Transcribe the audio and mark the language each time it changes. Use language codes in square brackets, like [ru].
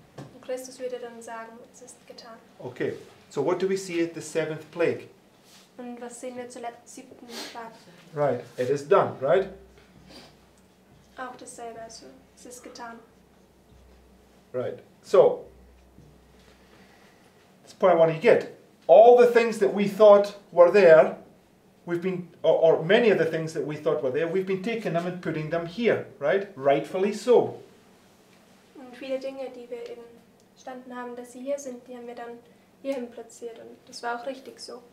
[de] Und Christus würde dann sagen, es ist getan. [en] Okay. So what do we see at the seventh plague? [de] Und was sehen wir zur siebten Plage? [en] Right. It is done. Right. [de] Auch dasselbe, also es ist getan. [en] Right. So. This point I want to get. All the things that we thought were there, or many of the things that we thought were there, we've been taking them and putting them here, right? Rightfully so. [de] Und viele Dinge, die wir eben standen haben, dass sie hier sind, die haben wir dann hierhin platziert und das war auch richtig so.